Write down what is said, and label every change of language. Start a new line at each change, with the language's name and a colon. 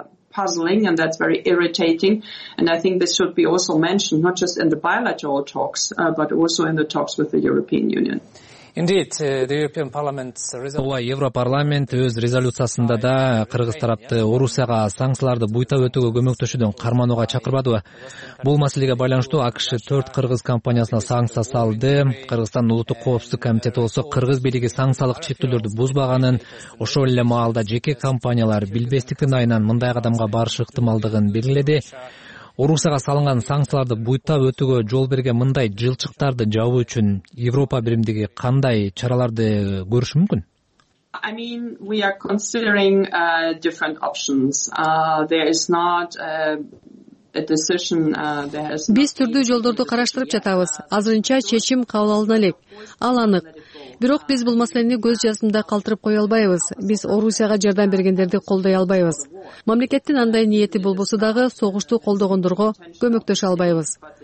English: Puzzling and that's very irritating, and I think this should be also mentioned not just in the bilateral talks but also in the talks with the European Union. Indeed, the European Parliament's resolution.
Kyrgyz: Европарламент өз резолюциясында да кыргыз тарапты Орусияга санкцияларды буйтап өтүүгө көмөктөшүүдөн карманууга чакырбады. Бул маселеге байланыштуу АКШ 4 кыргыз компаниясына санкция салды. Кыргызстандын улуттук коопсуздук комитети болсо кыргыз бийлиги санкциялык чектөөлөрдү бузбаганын, ошол эле маалда жеке компаниялар билбестиктин айынан мындай кадамга барыш ыктымалдыгын белгиледи. Орусияга салынган санкцияларды буйтап өтүүгө жол берген мындай жылчыктарды жабуу үчүн Европа биримдиги кандай чараларды көрүшү мүмкүн?
English: I mean, we are considering different options. There is not a decision there is not.
Kyrgyz: Биз түрдүү жолдорду караштырып жатабыз. Азырынча чечим кабыл алына элек. Ал анык. Бирок биз бул маселени көз жасында калтырып кое албайбыз. Биз Орусияга жардам бергендерди колдой албайбыз. Мамлекеттин андай ниети болбосо дагы согушту колдогондорго көмөктөшө албайбыз.